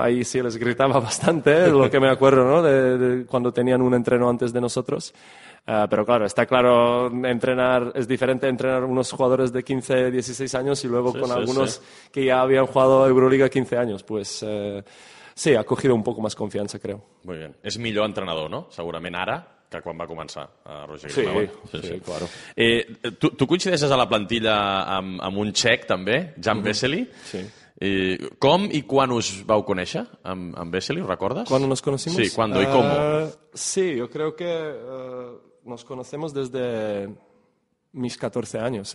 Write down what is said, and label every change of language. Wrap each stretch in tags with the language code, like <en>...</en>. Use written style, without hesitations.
<es>Ahí sí les gritaba bastante, lo que me acuerdo, ¿no? De cuando tenían un entreno antes de nosotros. Pero claro, está claro, es diferente entrenar unos jugadores de 15, 16 años y luego sí, con sí, algunos sí. que ya habían jugado Euroliga 15 años, pues... Sí, ha cogido un poco más confianza, creo. Muy bien.</es> <ca>És millor entrenador, no? Segurament ara que quan va començar Roger</ca> <es>Grimau. Sí, claro.</es> <ca>Tu coincideixes a la plantilla amb un txec, també, Jan mm-hmm. Veselý. Sí. Com i quan us vau conèixer amb Veselý, recordes?</ca> <es>Quan nos conocimos? Sí, cuando y cómo. Sí, yo creo que nos conocemos desde mis 14 años.</es>